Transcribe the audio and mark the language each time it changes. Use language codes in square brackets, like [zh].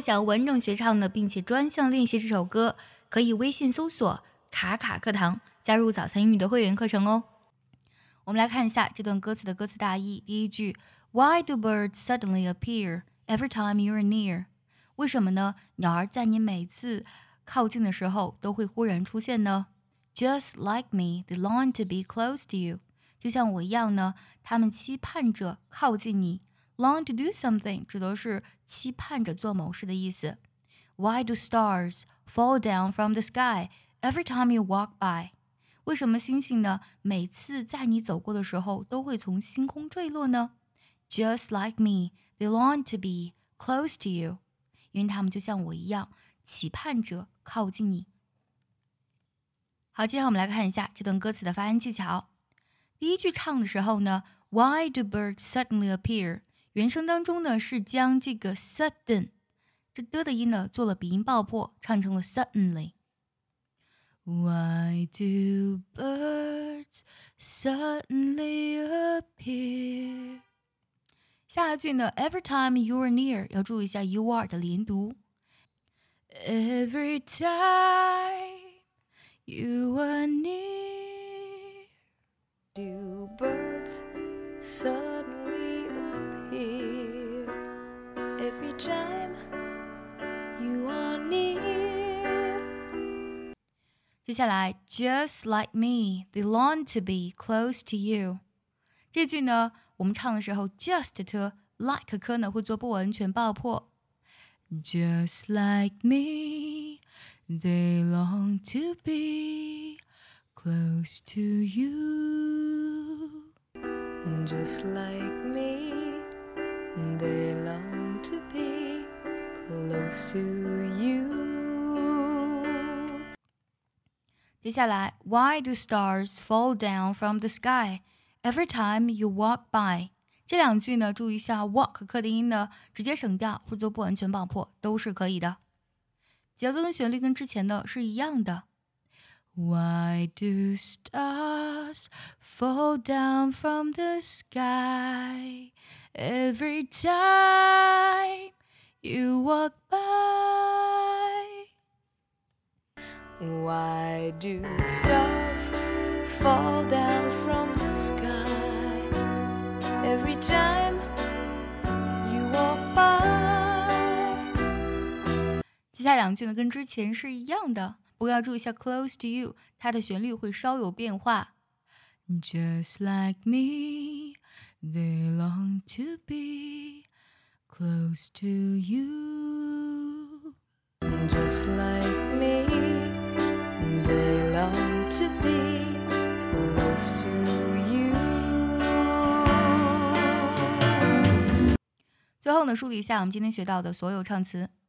[zh] 果想完整学唱的并且专项练习这首歌，可以微信搜索卡卡课堂加入早餐英语的会员课程哦。我们来看一下这段歌词的歌词大意。第一句， [en] Why do birds suddenly appear every time you're near? [zh] 为什么呢鸟儿在你每次靠近的时候都会忽然出现呢？ [en] Just like me, they long to be close to you. [zh] 就像我一样呢，他们期盼着靠近你。 [en] Long to do something [zh] 指的是期盼着做某事的意思。 [en] Why do stars fall down from the sky every time you walk by? [zh] 为什么星星呢每次在你走过的时候都会从星空坠落呢？ [en] Just like me, they long to be close to you. [zh] 因为他们就像我一样期盼着靠近你。好，接下来我们来看一下这段歌词的发音技巧。第一句唱的时候呢 [en] Why do birds suddenly appear? [zh] 原声当中呢是将这个 sudden 这的的音呢做了鼻音爆破，唱成了 suddenly。 [en] Why do birds suddenly appear? [zh] 下一句呢 [en] Every time you're near [zh] 要注意一下 you are 的连读。 [en] Every time you are near, do birds suddenly appear? Every time you are near. [zh] 接下来 [en] ，Just like me, they long to be close to you. [zh] 这句呢，我们唱的时候 ，just to like 可呢会做不完全爆破。 [en] Just like me, they long to be close to you. Just like me, they long to be close to you. [zh] 接下来 [en] Why do stars fall down from the sky every time you walk by? [zh] 这两句呢注意一下 walk 课的音呢直接省掉或做不完全爆破都是可以的。节奏跟旋律跟之前的是一样的。 [en] Why do stars fall down from the sky every time you walk by? Why do stars fall down from the skyEvery time you walk by. [zh] 接下来两句呢跟之前是一样的，不过要注意一下 [en] close to you [zh] 它的旋律会稍有变化。 [en] Just like me, they long to be close to you. Just like me, they long to be close to you. [zh] 最后呢，梳理一下我们今天学到的所有唱词。